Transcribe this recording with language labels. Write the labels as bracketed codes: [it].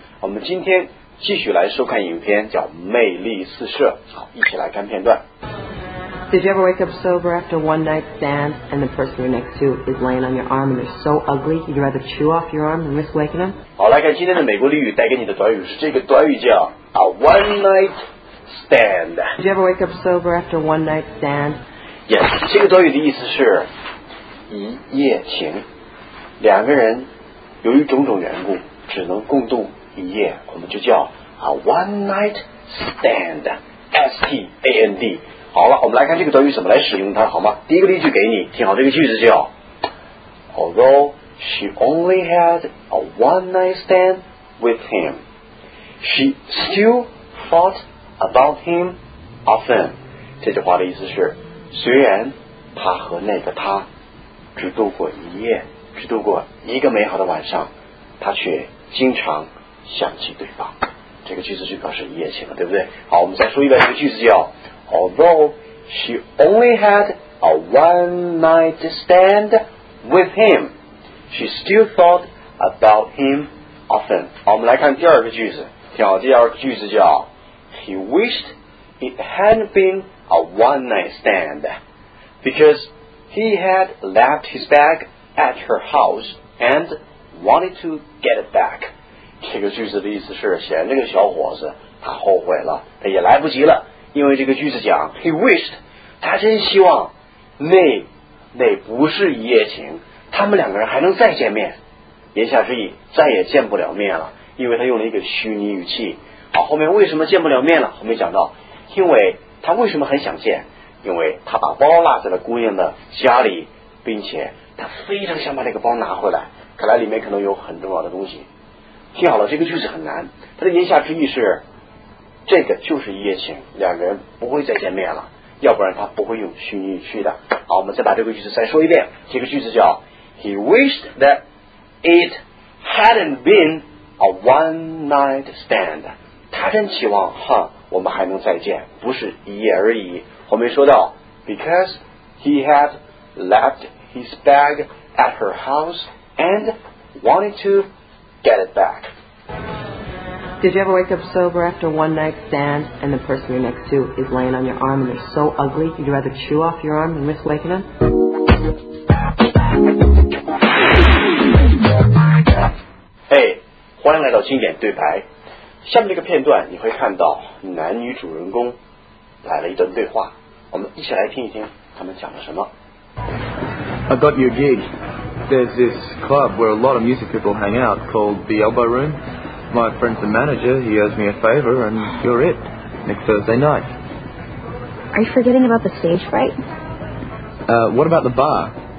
[zh] 我们今天继续来收看影片叫《魅力四射》。好，一起来看片段。 [en] Did you ever wake up sober after a one-night stand and the person you're next to is laying on your arm and they're so ugly you'd rather chew off your arm than risk waking them? [zh] 好，来看今天的美国俚语带给你的短语是这个短语叫 a one-night stand. [en] Did you ever wake up sober after a one-night stand? [zh] Yes, 这个短语的意思是一夜情，两个人由于种种缘故只能共度一夜，我们就叫 a one-night stand. [en] S-T-A-N-D. [zh] 好了，我们来看这个短语怎么来使用它，好吗？第一个例句给你，听好这个句子叫 [en] Although she only had a one-night stand with him, she still thought about him often. [zh] 这句话的意思是，虽然她和那个他只度过一夜，只度过一个美好的晚上，她却经常想起对方。这个句子就表示一夜情了，对不对？好，我们再说一遍这个句子叫 [en] Although she only had a one-night stand with him, she still thought about him often. [zh] 好，我们来看第二个句子。听好，第二个句子叫 [en] He wished it hadn't been a one-night stand because he had left his bag at her house and wanted to get it back. [zh] 这个句子的意思是，嫌这个小伙子他后悔了，他也来不及了。因为这个句子讲 [en] He wished [zh] 他真希望那不是一夜情，他们两个人还能再见面。言下之意，再也见不了面了，因为他用了一个虚拟语气。好，后面为什么见不了面了，后面讲到，因为他为什么很想见，因为他把包落在了姑娘的家里，并且他非常想把那个包拿回来，看来里面可能有很重要的东西。听好了，这个句子很难，他的言下之意是这个就是一夜情，两个人不会再见面了，要不然他不会用虚拟语气的。好，我们再把这个句子再说一遍，这个句子叫 [en] He wished that it hadn't been a one-night stand. [zh] 他真期望哈，我们还能再见，不是一夜而已。后面说到 [en] Because he had left his bag at her house and wanted to get it back. Did you ever wake up sober after a one-night stand and the person you're next to is laying on your arm and they're so ugly you'd rather chew off your arm than risk waking them? [zh] Hey, 欢迎来到经典对白。下面这个片段你会看到男女主人公来了一段对话，我们一起来听一听他们讲了什么。 [en] I got your gig. There's this club where a lot of music people hang out called the Elbow Room. My friend's the manager, he owes me a favor, and you're it, next Thursday night. Are you forgetting about the stage fright? What about the bar?